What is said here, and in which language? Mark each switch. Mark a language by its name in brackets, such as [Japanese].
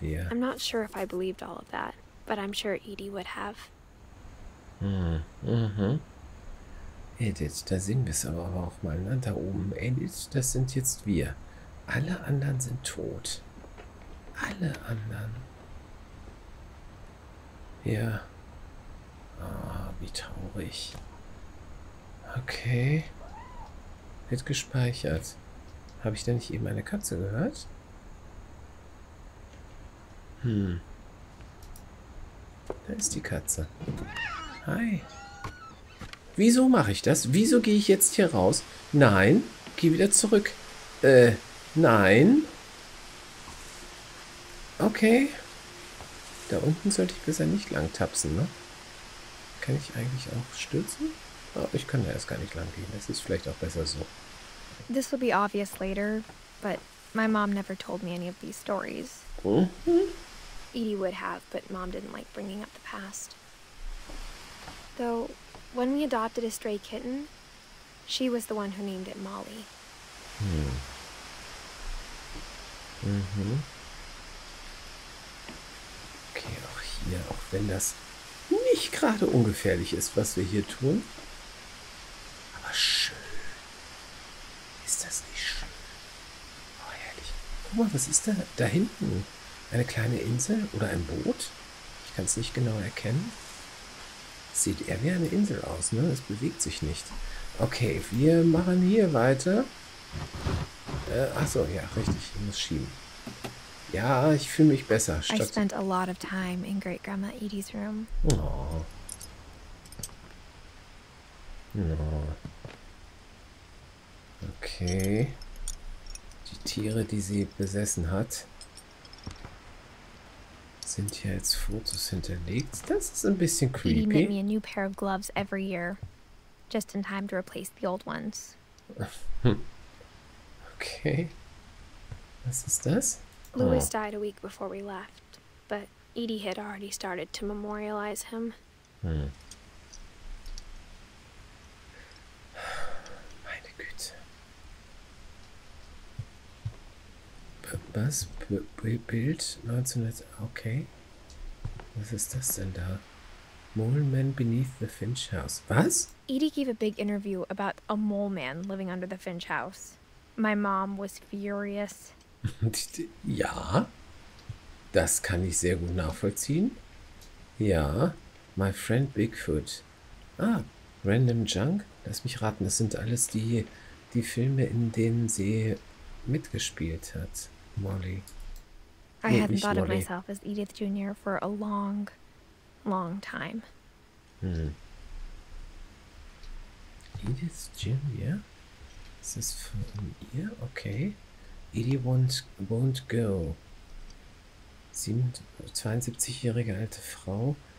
[English] I'm not sure if I believed all of that, but I'm sure Edie would have. [German] Edith, da sehen wir es aber auch mal. Na, da oben. Edith, das sind jetzt wir. Alle anderen sind tot. Alle anderen. Ja. Ah, oh, wie traurig. Okay. Wird gespeichert. Habe ich denn nicht eben meine Katze gehört? Da ist die Katze. Hi. Wieso mache ich das? Wieso gehe ich jetzt hier raus? Nein. Geh wieder zurück. Nein. Okay. Da unten sollte ich besser nicht lang tapsen, ne? Kann ich eigentlich auch stürzen? Oh, ich kann da erst gar nicht lang gehen. Das ist vielleicht auch besser so. [English] This will be obvious later, but my mom never told me any of these stories. Edie would have, but Mom didn't like bringing up the past. Though, when we adopted a stray kitten, she was the one who named it Molly. [German] Okay, auch hier, auch wenn das nicht gerade ungefährlich ist, was wir hier tun. Aber schön. Ist das nicht schön? Oh, herrlich. Guck mal, was ist da, da hinten? Eine kleine Insel oder ein Boot? Ich kann es nicht genau erkennen. Sieht eher wie eine Insel aus, ne? Es bewegt sich nicht. Okay, wir machen hier weiter. Richtig. Ich muss schieben. Ja, ich fühle mich besser. [English] I spent a lot of time in Great Grandma Edie's room. [German] Okay. Die Tiere, die sie besessen hat. Sind hier jetzt Fotos hinterlegt? Das ist ein bisschen creepy. [English] Edie made me a new pair of gloves every year, just in time to replace the old ones. [German] Okay. Was ist das? [English] Louis died a week before we left, but Edie had already started to memorialize him. [German] Meine Güte. Was? Bild 1900. Okay. Was ist das denn da? [English] Mole Man beneath the Finch House. Was? Edie gave a big interview about a mole man living under the Finch House. My mom was furious. [German] Ja. Das kann ich sehr gut nachvollziehen. Ja. My friend Bigfoot. Ah, Random Junk. Lass mich raten. Das sind alles die Filme, in denen sie mitgespielt hat. Molly. [English] I hadn't thought of myself as Edith Jr. for a long, long time. Edith Jr.? Is this from here? Okay. Edie won't go. [German] 72-jährige alte Frau.